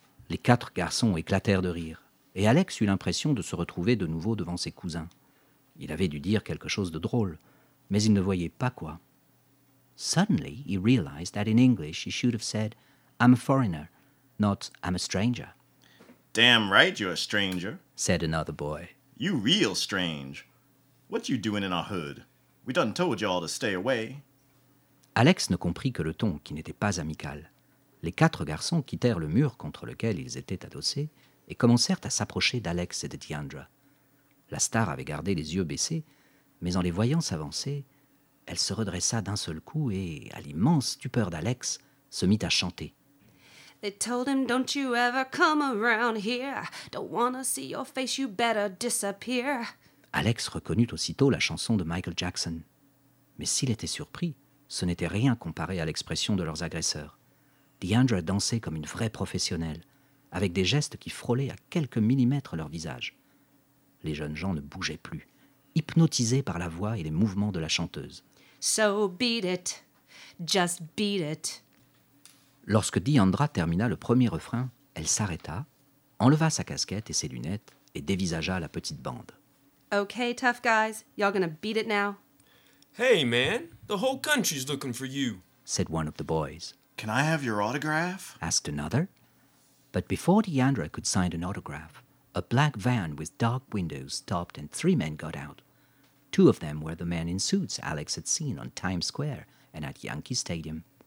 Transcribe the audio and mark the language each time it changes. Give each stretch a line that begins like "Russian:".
French: Les quatre garçons éclatèrent de rire, et Alex eut l'impression de se retrouver de nouveau devant ses cousins. Il avait dû dire quelque chose de drôle, mais il ne voyait pas quoi.
English: Suddenly, he realized that in English he should have said, "I'm a foreigner," not "I'm a stranger." "Damn right you're a stranger," said another boy. "You real strange. What you doing in our hood? We done told you all to stay away."
French: Alex ne comprit que le ton qui n'était pas amical. Les quatre garçons quittèrent le mur contre lequel ils étaient adossés et commencèrent à s'approcher d'Alex et de Deandra. La star avait gardé les yeux baissés, mais en les voyant s'avancer, elle se redressa d'un seul coup et, à l'immense stupeur d'Alex, se mit à chanter.
English: "They told him, don't you ever come around here. Don't wanna see your face, you better disappear."
French: Alex reconnut aussitôt la chanson de Michael Jackson. Mais s'il était surpris, ce n'était rien comparé à l'expression de leurs agresseurs. Deandra dansait comme une vraie professionnelle, avec des gestes qui frôlaient à quelques millimètres leur visage. Les jeunes gens ne bougeaient plus, hypnotisés par la voix et les mouvements de la chanteuse.
English: "So beat it, just beat it."
French: Lorsque Deandra termina le premier refrain, elle s'arrêta, enleva sa casquette et ses lunettes et dévisagea la petite bande.
English: "Okay, tough guys, y'all gonna beat it now?" "Hey man, the whole country's looking for you," said one of the boys. "Can I have your autograph?" asked another. But before Deandra could sign an autograph, a black van with dark windows stopped and three men got out. Two of them were the men in suits Alex had seen on Times Square and at Yankee Stadium.